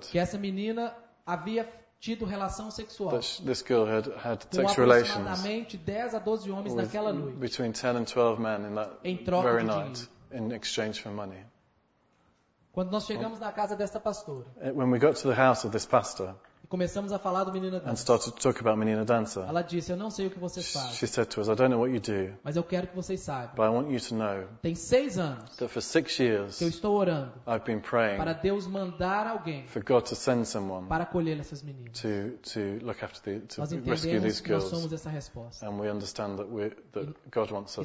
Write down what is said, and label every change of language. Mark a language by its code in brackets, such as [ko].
[pt] Que essa menina havia tido relação sexual. [en] That this girl had sexual relations. [pt] Com aproximadamente 10 a 12 homens naquela noite. [en] Between 10 and 12 men in that [pt] em troca [en] very [pt] de [en] night [pt] dinheiro. [en] In exchange for money. [pt] Quando nós chegamos na casa desta pastora. [en] When we got to the house of this pastor. [pt] E começamos a falar do menina dança. [en] And started to talk about menina dança. [pt] Ela disse, eu não sei o que vocês fazem. [en] She said to us, I don't know what you do. [pt] Mas eu quero que vocês saibam. [en] But I want you to know. [pt] Tem 6 anos. [en] That for 6 years. [pt] Que eu estou orando. [en] I've been praying. [pt] Para Deus mandar alguém. [en] For God to send someone. [pt] Para acolher essas meninas. [en] To look after the to rescue these girls. [pt] Nós somos essa resposta. [en] And we understand that God wants us to be there.